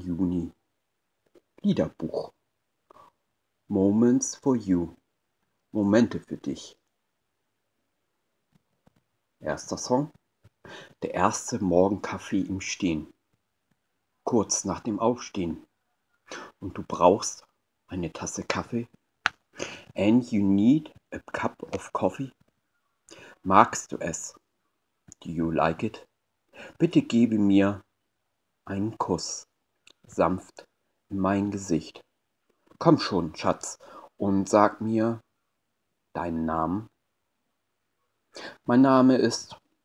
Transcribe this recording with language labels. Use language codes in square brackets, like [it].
[de] Juni. Liederbuch. [en] Moments for you. [de] Momente für dich. Erster Song. Der erste Morgenkaffee im Stehen. Kurz nach dem Aufstehen. Und du brauchst eine Tasse Kaffee. [en] And you need a cup of coffee. [de] Magst du es? [en] Do you like it? [de] Bitte gebe mir einen Kuss. Sanft in mein Gesicht. Komm schon, Schatz, und sag mir deinen Namen. Mein Name ist.